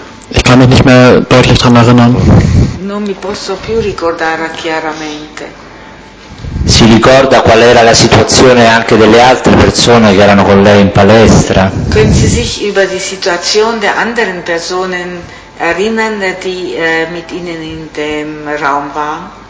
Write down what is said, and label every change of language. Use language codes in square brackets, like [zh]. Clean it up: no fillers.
[de] Ich kann mich nicht mehr deutlich daran erinnern. [it] Non mi posso più ricordare chiaramente. Si ricorda qual era la situazione anche delle altre persone che erano con lei in palestra? [de] Können Sie sich über die Situation der anderen Personen erinnern, die mit Ihnen in dem Raum waren?